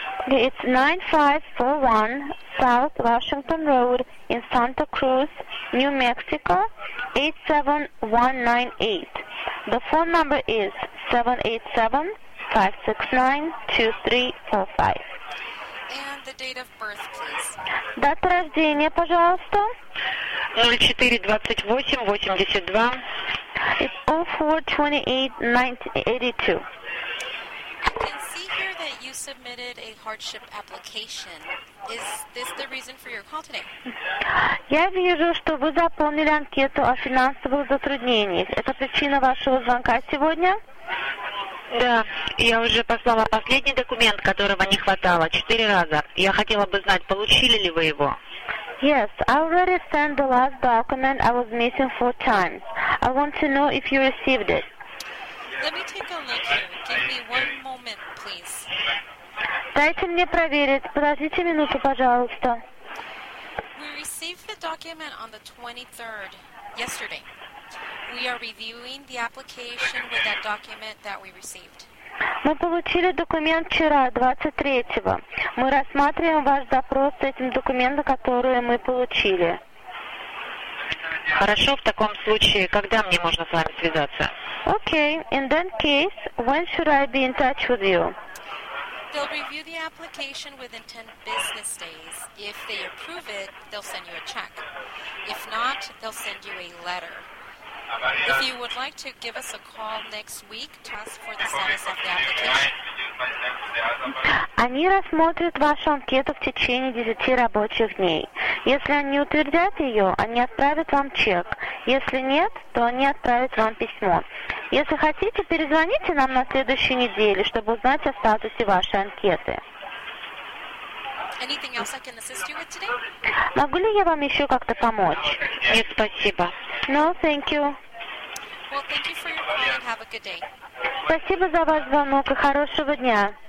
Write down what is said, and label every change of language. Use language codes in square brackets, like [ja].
[en] It's 9541 South Washington Road in Santa Cruz, New Mexico, 87198. The phone number is 787-569-2345. And the date of birth, please. [ru] Дата рождения, пожалуйста. 04-28-82. [en] It's 04-28-82. I can see here that you submitted a hardship application. Is this the reason for your call today? [ru] Я вижу, что вы заполнили анкету о финансовых затруднениях. Это причина вашего звонка сегодня? Да, я уже послала последний документ, которого не хватало, 4 раза. Я хотела бы знать, получили ли вы его? [en] Yes, I already sent the last document I was missing 4 times. I want to know if you received it. Let me take a look here. Give me one moment, please. [ru] Дайте мне проверить. Подождите минуту, пожалуйста. [en] We received the document on the 23rd, yesterday. We are reviewing the application with that document that we received. [ru] Мы получили документ вчера, 23-го. Мы рассматриваем ваш запрос с этим документом, который мы получили. Хорошо, в таком случае, когда мне можно с вами связаться? [en] Okay, in that case, when should I be in touch with you? They'll review the application within 10 business days. If they approve it, they'll send you a check. If not, they'll send you a letter. If you would like to give us a call next week to ask for the status of the application. [ru] Они рассмотрят вашу анкету в течение 10 рабочих дней. Если они утвердят ее, они отправят вам чек. Если нет, то они отправят вам письмо. Если хотите, перезвоните нам на следующей неделе, чтобы узнать о статусе вашей анкеты. [en] Anything else I can assist you with today? [ru] Могу ли я вам еще как-то помочь? Нет, спасибо. [en] No, thank you. Well, thank you for your call and have a good day. [ru] Спасибо за ваш звонок и хорошего дня.